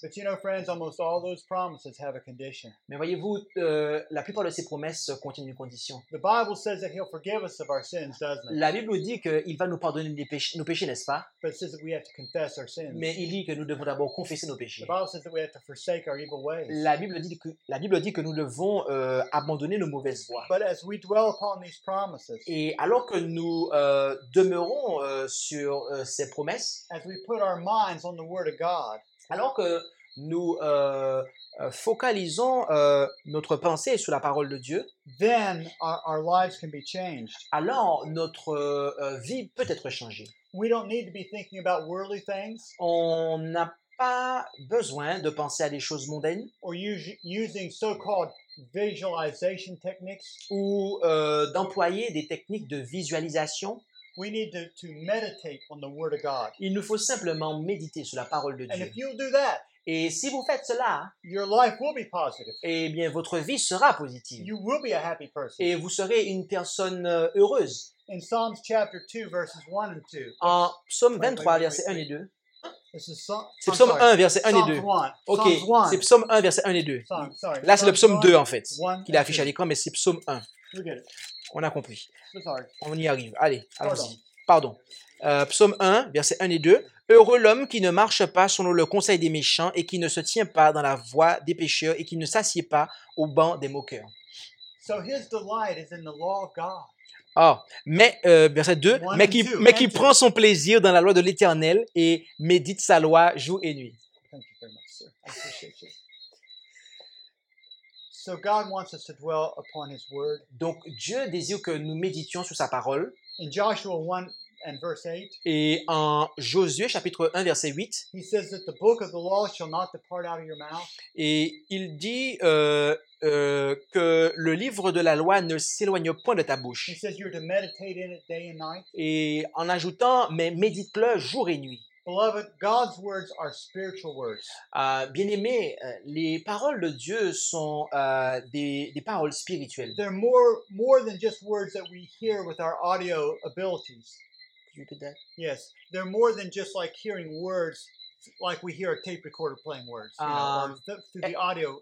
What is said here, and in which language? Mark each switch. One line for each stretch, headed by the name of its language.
English: But you know, friends, almost all those promises have a condition.
French: Mais voyez-vous, la plupart de ces promesses contiennent une condition.
English: The Bible says that he'll forgive us of our sins, doesn't it?
French: La Bible dit qu'il va nous pardonner nos péchés, n'est-ce pas?
English: But it says that we have to confess our sins.
French: Mais il dit que nous devons d'abord confesser nos péchés.
English: The Bible says that we have to forsake our evil ways.
French: La Bible dit que nous devons abandonner nos mauvaises voies.
English: But as we dwell upon these promises,
French: et alors que nous demeurons sur ces promesses,
English: as we put our minds on the Word of God.
French: Alors que nous focalisons notre pensée sur la parole de Dieu,
English: then our lives can be changed.
French: Alors notre vie peut être changée.
English: We don't need to be thinking about worldly things.
French: On n'a pas besoin de penser à des choses mondaines.
English: Or using so-called visualization techniques.
French: Ou d'employer des techniques de visualisation.
English: We need to meditate on the Word of God.
French: Il nous faut simplement méditer sur la parole de Dieu.
English: And if you'll do that,
French: et si vous faites cela,
English: your life will be positive.
French: Eh bien, votre vie sera positive.
English: You will be a happy person.
French: Et vous serez une personne heureuse.
English: In Psalms chapter 2, verses 1 and 2.
French: En psaume 23, verset 1 et 2. C'est psaume 1, verset 1 et 2. Ok, c'est psaume 1, verset 1 et 2. Là, c'est le psaume 2, en fait, qu'il est affiché à l'écran, mais c'est psaume 1. On a compris. On y arrive. Allez, allons-y. Pardon. Psaume 1, verset 1 et 2. « Heureux l'homme qui ne marche pas selon le conseil des méchants et qui ne se tient pas dans la voie des pécheurs et qui ne s'assied pas au banc des moqueurs. »
English: So his delight is in the law of God.
French: Ah, mais, verset 2, « mais qui prend son plaisir dans la loi de l'Éternel et médite sa loi jour et nuit. »
English: So God wants us to dwell upon His Word.
French: Donc, Dieu désire que nous méditions sur sa parole.
English: In Joshua 1 and verse 8,
French: et en Josué, chapitre 1, verset 8,
English: He says that the book of the law shall not depart out of your mouth.
French: Et il dit... que le livre de la loi ne s'éloigne point de ta bouche.
English: He says you're to meditate in it day and night.
French: Et en ajoutant, mais médite-le jour et nuit.
English: Beloved, God's words are spiritual words.
French: Bien-aimés, les paroles de Dieu sont des paroles spirituelles.
English: They're more than just words that we hear with our audio abilities. You did that? Yes, they're more than just like hearing words. Like we hear a tape recorder playing words, you know, or through the audio.